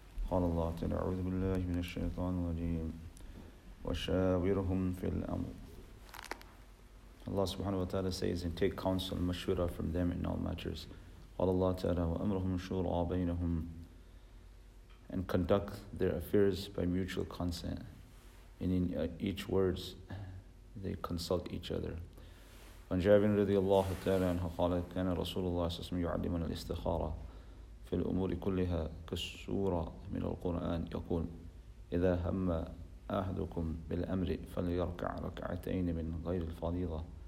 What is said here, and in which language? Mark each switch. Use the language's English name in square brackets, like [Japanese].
[Arabic] قال الله تعالى أعوذ بالله من الشيطان الرجيم وشاورهم في الأمر. [English] Allah subhanahu wa ta'ala says, and take counsel, mashura, from them in all matters. [Arabic] قال الله تعالى وأمرهم شورى بينهم, [English] and conduct their affairs by mutual consent. And in each words, they consult each other. [Arabic] عن جابر رضي الله تعالى عنه قال كان رسول الله صلى الله عليه وسلم يعلمنا الاستخارة في الأمور كلها كالسورة من القرآن يقول إذا هم أحدكم بالأمر فليركع ركعتين من غير الفريضة